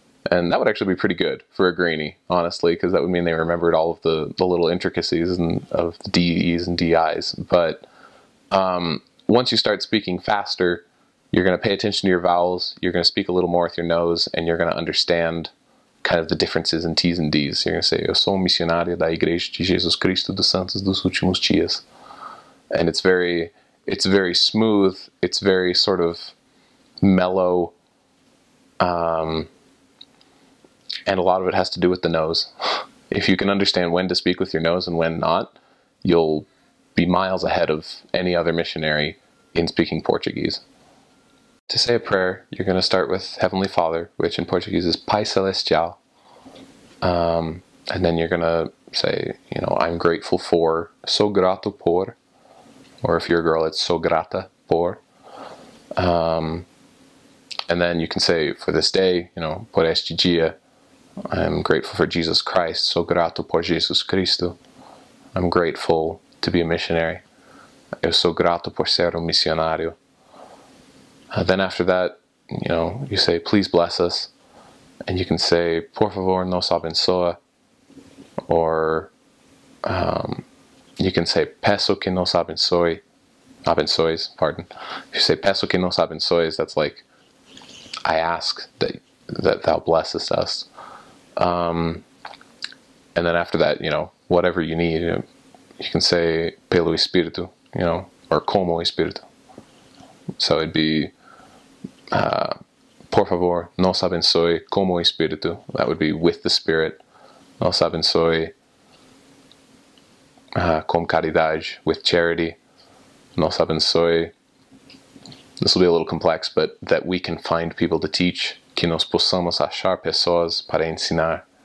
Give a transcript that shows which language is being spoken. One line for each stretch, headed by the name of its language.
English: And that would actually be pretty good for a greenie, honestly, because that would mean they remembered all of the little intricacies and of the DEs and DIs. But once you start speaking faster, you're going to pay attention to your vowels, you're going to speak a little more with your nose, and you're going to understand kind of the differences in T's and D's. You're going to say,
Portuguese: Eu sou missionário da Igreja de Jesus Cristo dos Santos dos Últimos Dias.
English: And it's very smooth, it's very sort of mellow, and a lot of it has to do with the nose. If you can understand when to speak with your nose and when not, you'll be miles ahead of any other missionary in speaking Portuguese. To say a prayer, you're going to start with Heavenly Father, which in Portuguese is
Portuguese: Pai Celestial.
English: And then you're going to say, I'm grateful for,
Portuguese: sou grato por,
English: or if you're a girl, it's
Portuguese: sou grata por.
English: And then you can say for this day,
Portuguese: por este dia,
English: I'm grateful for Jesus Christ,
Portuguese: sou grato por Jesus Cristo.
English: I'm grateful to be a missionary.
Portuguese: Eu sou grato por ser missionário.
English: Then after that, you say, please bless us. And you can say,
Portuguese: por favor, nos abençoa.
English: Or you can say,
Portuguese: peço que nos abençoe. Abençoes,
English: pardon. If you say,
Portuguese: peço que nos abençoes,
English: that's like, I ask that thou blessest us. And then after that, whatever you need, you can say,
Portuguese: pelo Espírito,
English: or
Portuguese: como Espírito.
English: So it'd be,
Portuguese: por favor, nos abençoe como Espírito.
English: That would be with the Spirit.
Portuguese: Nos abençoe com caridade,
English: with charity.
Portuguese: Nos abençoe.
English: This will be a little complex, but that we can find people to teach.
Portuguese: Que nos possamos achar pessoas para ensinar.